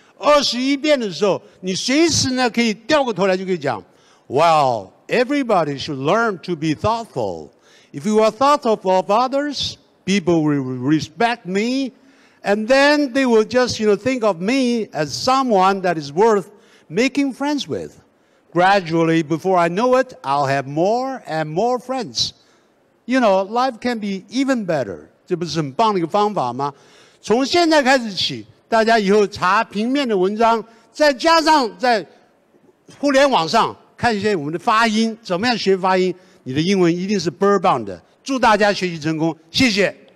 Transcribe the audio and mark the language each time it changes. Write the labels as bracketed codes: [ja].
[zh] 21遍的时候，你随时呢可以掉个头来就可以讲。 [en] Well, everybody should learn to be thoughtful. If you are thoughtful of others, people will respect me, and then they will just, you know, think of me as someone that is worth making friends with. Gradually, before I know it, I'll have more and more friends. You know, life can be even better. [zh] 这不是很棒的一个方法吗？从现在开始起。大家以后查平面的文章，再加上在互联网上看一些我们的发音，怎么样学发音，你的英文一定是倍儿棒的。祝大家学习成功，谢谢。